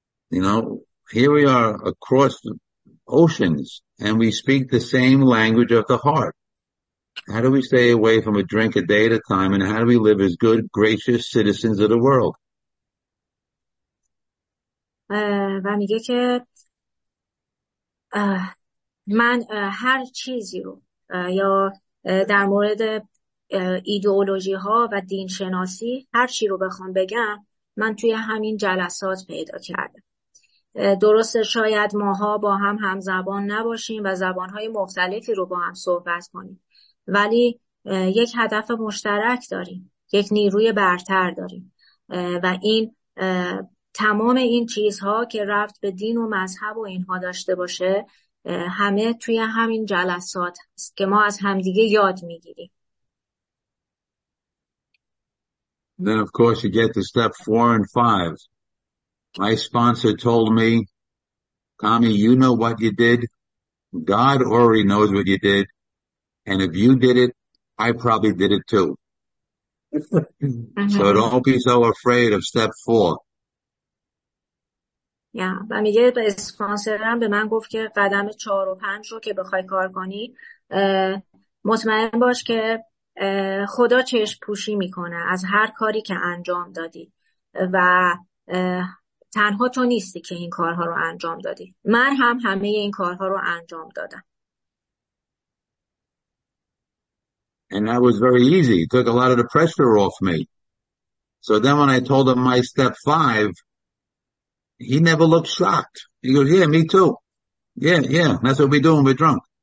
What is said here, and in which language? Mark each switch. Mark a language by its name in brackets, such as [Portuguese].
[English] You know, here we are across oceans and we speak the same language of the heart. How do we stay away from a drink a day at a time and how do we live as good, gracious citizens of the world? [Persian] و میگه که من هر چیزی رو یا در مورد ایدئولوژی ها و دین شناسی هر چی رو بخوام بگم من توی همین جلسات پیدا کردم. درسته شاید ماها با هم همزبان نباشیم و زبانهای مختلفی رو با هم صحبت کنیم، ولی یک هدف مشترک داریم، یک نیروی برتر داریم و این تمام این چیزها که رفت به دین و مذهب و اینها داشته باشه همه توی همین جلسات هست که ما از همدیگه یاد میگیریم. [English] Then of course you get to step 4 and 5. My sponsor told me, Tommy, you know what you did. God already knows what you did. And if you did it, I probably did it too. So don't be so afraid of step 4. [Persian] Yeah, و میگه به اسپانسرم به من گفت که قدم 4 و 5 رو که بخوای کار کنی مطمئن باش که خدا چشم پوشی میکنه از هر کاری که انجام دادی و تنها تو نیستی که این کارها رو انجام دادی، من هم همه این کارها رو انجام دادم. [English] And that was very easy. It took a lot of the pressure off me. So then when I told him my step 5, he never looked shocked. He goes, yeah, me too. Yeah, that's what we do when we're drunk.